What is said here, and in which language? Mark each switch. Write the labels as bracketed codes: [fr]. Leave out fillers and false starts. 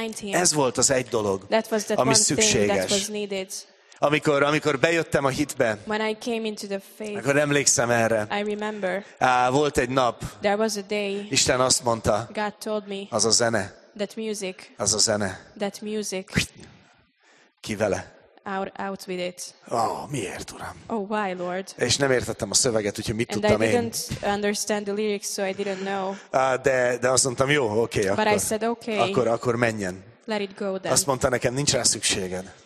[hu] Ez volt az egy dolog, ami szükséges. Amikor bejöttem a hitbe, akkor emlékszem erre. Volt egy nap, Isten azt mondta, az a zene, ki vele? [en] Out with it. [hu] Oh, miért, Uram? [en] Oh, why, Lord? [hu] És nem értettem a szöveget, úgyhogy mit [en] and [hu] tudtam én. [en] And I didn't [hu] én [en] understand the lyrics, so I didn't know. [hu] De azt mondtam, jó, oké, okay, akkor. [en] But I said, okay. [hu] Akkor menjen. [en] Let it go, then. [hu] Azt mondta nekem, nincs rá szükséged.